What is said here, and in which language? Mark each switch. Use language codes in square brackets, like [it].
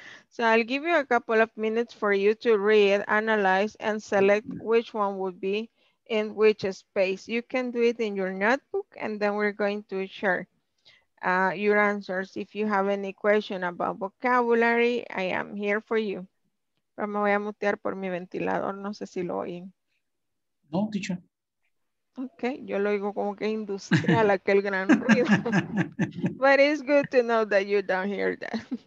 [en] So I'll give you a couple of minutes for you to read, analyze, and select which one would be in which space. You can do it in your notebook, and then we're going to share your answers. If you have any question about vocabulary, I am here for you. [es] Pero me voy a mutear por mi ventilador, no sé si lo oyen. [en] No, teacher. [es] Ok, yo lo digo como que industrial, aquel gran ruido. [en] But it's good to know that you don't hear that.